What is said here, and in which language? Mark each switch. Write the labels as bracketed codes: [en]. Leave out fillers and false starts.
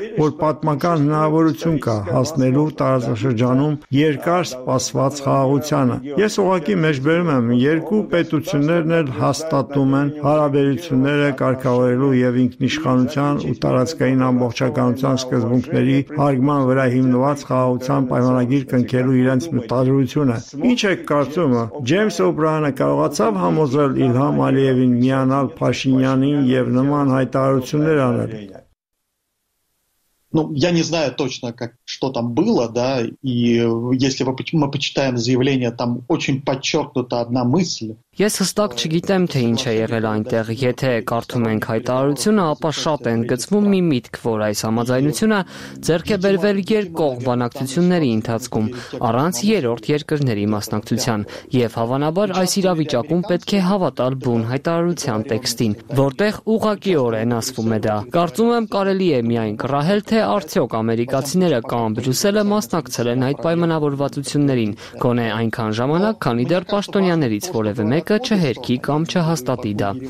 [hy] որ պատմական հնարավորություն կա հասնելու տարածաշրջանում երկար սպասված խաղաղությանը։ Ես ուղղակի մեջբերում եմ, երկու պետություններն էլ հաստատում են հարաբերությունները կարգավորելու եւ ինքնիշխանության ու տարածքային ամբողջականության սկզբունքների հարգման վրա հիմնված խաղաղության պայմանագիր կնքելու իրենց մտադրությունը։ Ինչ է կարծում, Ջեյմս Օբրայանը կարողացավ համոզել Իլհամ Ալիևին միանալ Փաշինյանին եւ նման հայտարարություններ անել։ [ru] Ну, я не знаю точно, как что там было, да, и если мы почитаем заявление, там очень подчёркнута одна мысль. [hy] Ես հստակ չգիտեմ, թե ինչ է եղել այնտեղ, եթե կարդում ենք հայտարարությունը, ապա շատ են գծվում մի միտք, որ այս համաձայնությունը ձեռք է բերվել երկկողմ բանակցությունների ընթացքում, առանց երրորդ երկրների մասնակցության, և հավանաբար այս իրավիճակում պետք է հավատալ բուն հայտարարության տեքստին, որտեղ ուղղակիորեն ասվում է դա։ Կարծում եմ, կարելի է միայն կռահել, թե արդյոք ամերիկացիները կամ Բրյուսելը մասնակցել են այդ պայմանավորվածություններին, գոնե այնքան ժամանակ, քանի դեռ պաշտոնյաներից որևէ մեկը չհերքի կամ չհաստատի դա։